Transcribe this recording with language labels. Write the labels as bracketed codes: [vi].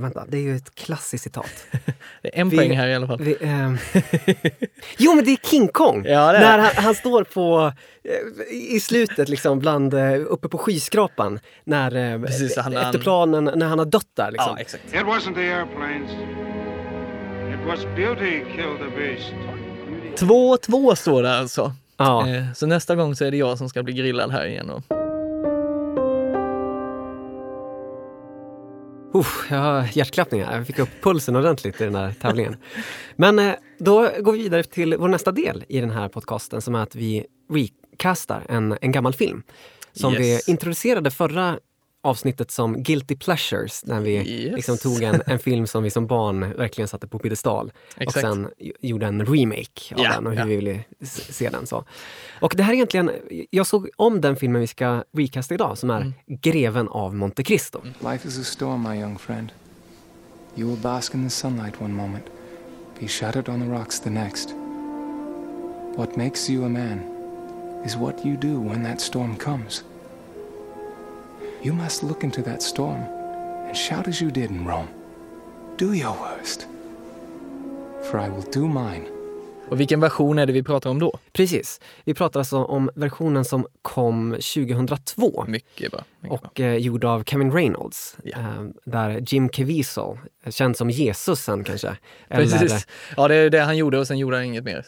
[sv] Vänta, det är ju ett klassiskt citat. Det är en poäng här i alla fall. Jo, men det är King Kong. Ja, det är. När han står på i slutet liksom bland uppe på skyskrapan när precis, efter planen när han har dött där liksom. Ja, exakt. [en] It wasn't the airplanes. It was beauty killed the beast. [sv] 2-2 står det alltså. Ja. Så nästa gång så är det jag som ska bli grillad här igen och... Jag har hjärtklappningar. Jag fick upp pulsen ordentligt i den här tävlingen. Men då går vi vidare till vår nästa del i den här podcasten som är att vi recastar en gammal film som [en] yes. [sv] vi introducerade förra avsnittet som Guilty Pleasures när vi [en] yes. [sv] liksom tog en film som vi som barn verkligen satte på pedestal och sen gjorde en remake av den och hur vi ville se den. Så. Och det här är egentligen, jag såg om den filmen vi ska recasta idag som är Greven av Monte Cristo. [en] Life is a storm, my young friend. You will bask in the sunlight one moment, be shattered on the rocks the next. What makes you a man is what you do when that storm comes. You must look into that storm and shout as you did in Rome. Do your worst, for I will do mine. [sv] Och vilken version är det vi pratar om då? Precis. Vi pratar alltså om versionen som kom 2002. Mycket bra. Och gjord av Kevin Reynolds. [en] Yeah. [sv] Där Jim Caviezel, känd som Jesus sen kanske. Precis. Eller... Ja, det är det han gjorde och sen gjorde han inget mer.